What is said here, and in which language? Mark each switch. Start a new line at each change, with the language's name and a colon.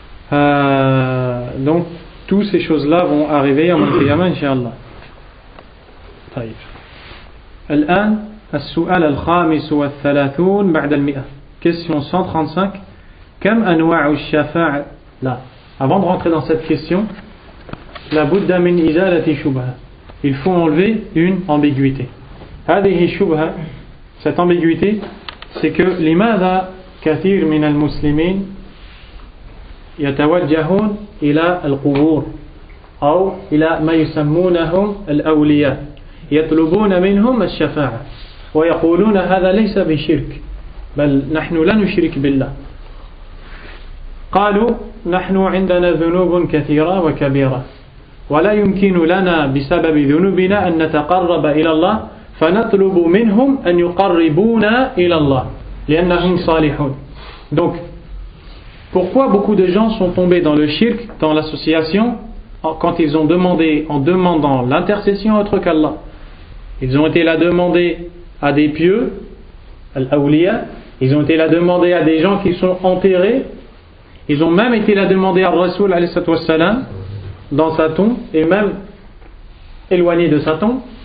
French: Donc toutes ces choses là vont arriver en même temps, inshallah.
Arabic: الآن السؤال الخامس والثلاثون بعد المئة. Question 135. كم أنواع الشفاعة؟ لا.
French: Avant de rentrer dans cette question,
Arabic: la Bouddha min izalati shubha.
French: Il faut enlever une ambiguïté.
Arabic: هذه شبهة.
French: Cette ambiguïté, c'est que
Arabic: لماذا كثير من المسلمين يتوجهون إلى القبور أو إلى ما يسمونهم الأولياء يطلبون منهم الشفاعة ويقولون هذا ليس بشرك بل نحن لا نشرك بالله قالوا نحن عندنا ذنوب كثيرة وكبيرة ولا يمكن لنا بسبب ذنوبنا أن نتقرب إلى الله فنطلب منهم أن يقربونا إلى الله لأنهم صالحون.
French: Donc pourquoi beaucoup de gens sont tombés dans le shirk, dans l'association, quand ils ont demandé, en demandant l'intercession autre qu'Allah. Ils ont été là demander à des pieux, al-awliya, ils ont été là demander à des gens qui sont enterrés, ils ont même été là demander à Rasoul alayhi wasallam dans sa tombe, et même éloigné de sa tombe.